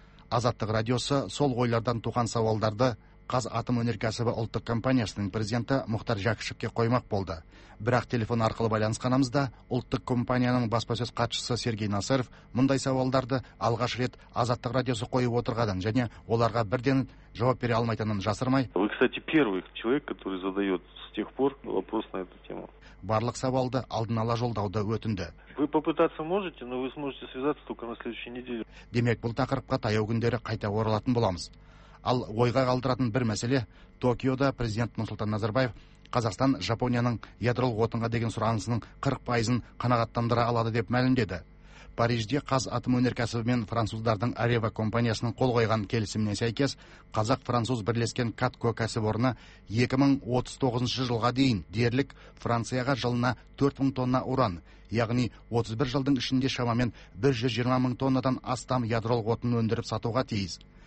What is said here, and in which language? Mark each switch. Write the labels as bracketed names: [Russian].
[Kazakh] Азаттық радиосы сол ойлардан туған сауалдарды Қазатом өнеркәсібі ұлттық компаниясының президенті Мұхтар Жәкішевке қоймақ болды. Бірақ телефон арқылы байланысқанымызда ұлттық компанияның баспасөз хатшысы Сергей Насыров мұндай сауалдарды алғаш рет Азаттық радиосы қойып отырғанын және оларға бірден жауап бере алмайтынын жасырмай, [Russian] вы, кстати, первый человек, который задает с тех пор вопрос на эту тему. [Kazakh] Барлық сауалды алдын ала жолдауды өтінді. [Russian] Вы попытаться можете, но вы сможете связаться только на следующей неделе. [Kazakh] Демек, бұл тақырыпқа таяу күндері қайта оралатын боламыз. Ал ойға қалдыратын бір мәселе, Токиода президент Нұрсұлтан Назарбаев Қазақстан Жапонияның ядролық отынға деген сұранысының 40%-ын қанағаттандыра алады деп мәлімдеді. Парижде Қазатом өнеркәсібі мен француздардың Арева компаниясының қол қойған келісіміне сәйкес, қазақ-француз бірлескен Катко кәсіпорны 2039 жылға дейін дерлік Францияға жылына 4000 тонна уран, яғни 31 жылдың ішінде шамамен 120 мың тоннадан астам ядролық отын өндіріп сатуға тиіс.